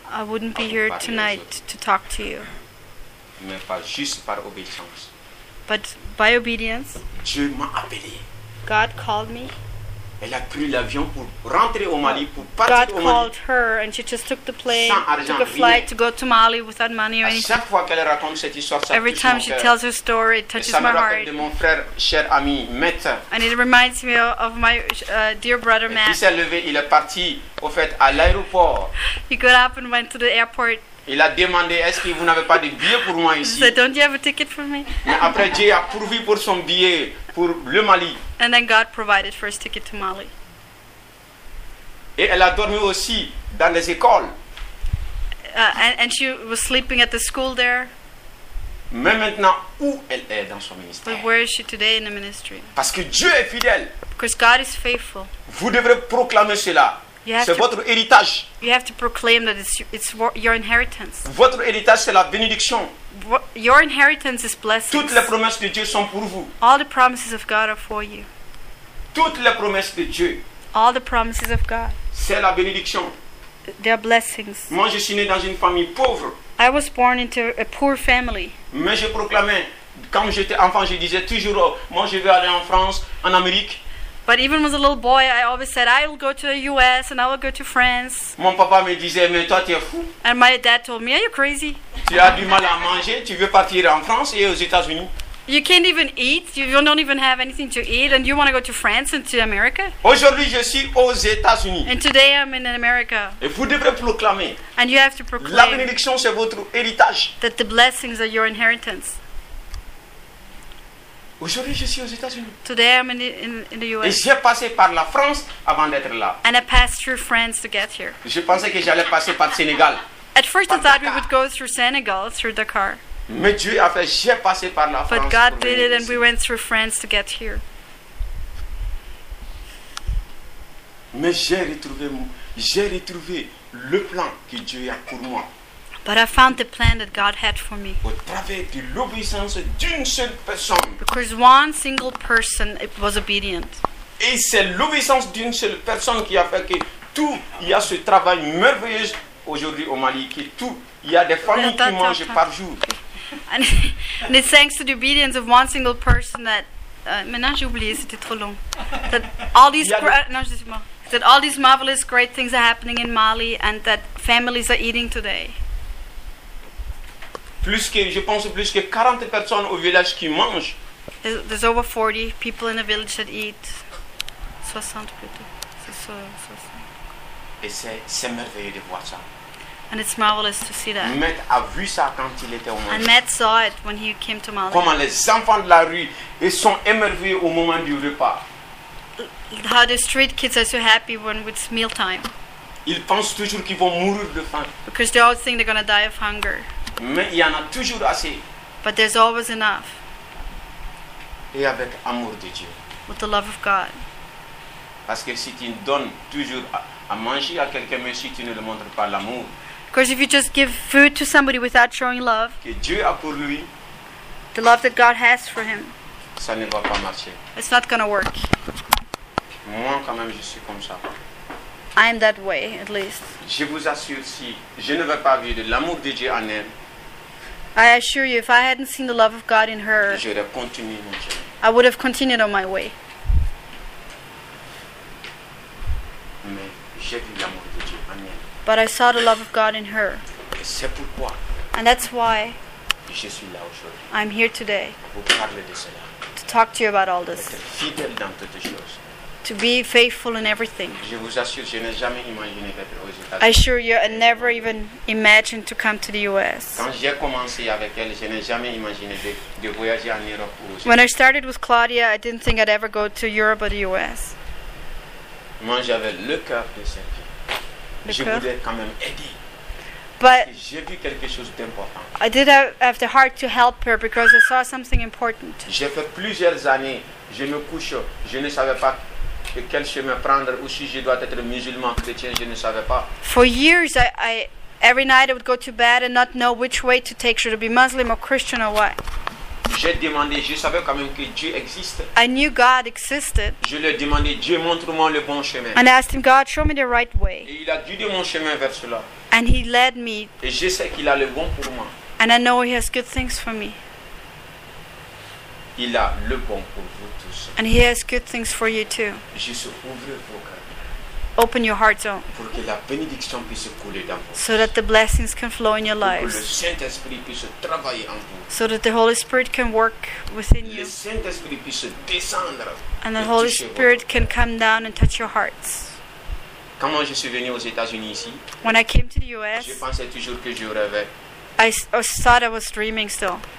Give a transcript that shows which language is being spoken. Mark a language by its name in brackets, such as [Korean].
[English] I wouldn't be here tonight to talk to you. [French] Mais pas juste par obéissance. [English] But by obedience. [French] Dieu m'a appelé. [English] God called me. [French] Elle a pris l'avion pour rentrer au Mali, pour partir [English] God [French] au Mali. [English] God called her and she just took the plane, [French] argent, [English] took a flight to go to Mali without money or anything. [French] À chaque fois qu'elle raconte cette histoire, ça [English] every time she tells her story, it touches my heart. [French] Ça me rappelle de mon frère, cher ami, Matt. [English] And it reminds me of my dear brother, Matt. [French] Il s'est levé, il est parti, au fait, à l'aéroport. [English] He got up and went to the airport. [French] Il a demandé, est-ce que vous n'avez pas de billet pour moi ici? [English] So don't you have a ticket for me? [French] Mais après, Dieu a pourvu pour son billet pour le Mali. [English] And then God provided for his ticket to Mali. [French] Et elle a dormi aussi dans les écoles. [English] And she was sleeping at the school there. [French] Mais maintenant, où elle est dans son ministère? [English] But where is she today in the ministry? [French] Parce que Dieu est fidèle. [English] Because God is faithful. [French] Vous devrez proclamer cela. C'est votre héritage. [English] You have to proclaim that it's your inheritance. [French] Votre héritage, c'est la bénédiction. [English] Your inheritance is blessings. [French] Toutes les promesses de Dieu sont pour vous. [English] All the promises of God are for you. [French] Toutes les promesses de Dieu. [English] All the promises of God. [French] C'est la bénédiction. [English] They are blessings. [French] Moi, je suis né dans une famille pauvre. [English] I was born into a poor family. [French] Mais je proclamais, quand j'étais enfant, je disais toujours, oh, moi, je veux aller en France, en Amérique. [English] But even as a little boy, I always said, I will go to the U.S. and I will go to France. [French] Mon papa me disait, mais toi, tu es fou. [English] And my dad told me, are you crazy? [French] Tu as du mal à manger, tu veux partir en France et aux États-Unis. [English] You can't even eat, you don't even have anything to eat, and you want to go to France and to America? [French] Aujourd'hui, je suis aux États-Unis. [English] And today, I'm in America. [French] Et vous devez proclamer. [English] And you have to proclaim. [French] La bénédiction, c'est votre héritage. [English] That the blessings are your inheritance. [French] Aujourd'hui, je suis aux États-Unis. [English] Today I'm in the U.S. [French] Et j'ai passé par la France avant d'être là. [English] And I passed through France to get here. [French] Je pensais que j'allais passer par Sénégal. [English] At first I thought we would go through Senegal, through Dakar. [French] Mais Dieu a fait, j'ai passé par la France. [English] But God did it and we went through France to get here. [French] Mais j'ai retrouvé le plan que Dieu a pour moi. [English] But I found the plan that God had for me. [French] Au travers de l'obéissance d'une seule personne. [English] Because one single person was obedient. [French] Et c'est l'obéissance d'une seule personne qui a fait que tout, il y a ce travail merveilleux aujourd'hui au Mali, que tout, il y a des familles qui mangent par jour. [English] And it's thanks to the obedience of one single person that, [French] maintenant j'ai oublié, c'était trop long. [English] That all these, that all these marvelous great things are happening in Mali and that families are eating today. [French] Plus que, je pense plus que 40 personnes au village qui mangent. [English] There's over 40 people in the village that eat. [French] 60 plutôt. C'est [English] 60. [French] Et c'est merveilleux de voir ça. [English] And it's marvelous to see that. [French] Matt a vu ça quand il était au Mali. [English] And Matt saw it when he came to Mali. [French] Comment les enfants de la rue, ils sont émerveillés au moment du repas. [English] How the street kids are so happy when it's meal time. [French] Ils pensent toujours qu'ils vont mourir de faim. [English] Because they always think they're going to die of hunger. [French] Mais il y en a toujours assez. [English] But there's always enough. [French] Et avec amour de Dieu. [English] With the love of God. [French] Parce que si tu donnes toujours à manger à quelqu'un, mais si tu ne le montres pas l'amour. [English] Because if you just give food to somebody without showing love. [French] Que Dieu a pour lui. [English] The love that God has for him. [French] Ça ne va pas marcher. [English] It's not going to work. [French] Moi quand même je suis comme ça. [English] I am that way, at least. [French] Je vous assure si je ne vais pas vivre l'amour de Dieu en elle. [English] I assure you, if I hadn't seen the love of God in her, I would have continued on my way. [French] Mais j'ai vu l'amour de Dieu en elle. [English] But I saw the love of God in her. [French] Et c'est pourquoi. [English] And that's why. [French] Je suis là aujourd'hui. [English] I'm here today. [French] Pour parler de cela. [English] To talk to you about all this. [French] Être fidèle dans toutes choses. [English] To be faithful in everything. [French] Je vous assure, je n'ai jamais imaginé d'être aux États-Unis. [English] I assure you, I never even imagined to come to the U.S. [French] Quand j'ai commencé avec elle, je n'ai jamais imaginé de voyager en Europe ou aux États-Unis. [English] When I started with Claudia, I didn't think I'd ever go to Europe or the U.S. [French] Moi, j'avais le cœur de servir. Je voulais quand même aider. [English] But [French] j'ai vu quelque chose d'important. [English] I did have the heart to help her because I saw something important. [French] J'ai fait plusieurs années. Je me couche. Je ne savais pas. Et quel chemin prendre ou si je dois être musulman chrétien, je ne savais pas. [English] For years, I every night I would go to bed and not know which way to take, should it be Muslim or Christian or what. [French] J'ai demandé, je savais quand même que Dieu existe. [English] I knew God existed. [French] Je lui ai demandé, Dieu montre-moi le bon chemin. [English] And I asked him, God, show me the right way. [French] Et il a guidé mon chemin vers cela. [English] And he led me. [French] Et je sais qu'il a le bon pour moi. [English] And I know he has good things for me. [French] Il a le bon pour vous tous. [English] And he has good things for you too. [French] Juste ouvrez vos cœurs. [English] Open your hearts up. [French] Pour que la bénédiction puisse couler dans vos. [English] So that the blessings can flow in your lives. [French] Pour que le Saint-Esprit puisse travailler en vous. [English] So that the Holy Spirit can work within you. [French] Le Saint-Esprit puisse descendre. [English] And the Holy Spirit can come down and touch your hearts. [French] Quand moi je suis venu aux États-Unis ici, [English] when I came to the US, [French] je pensais toujours que je rêvais. [English] I thought I was dreaming still.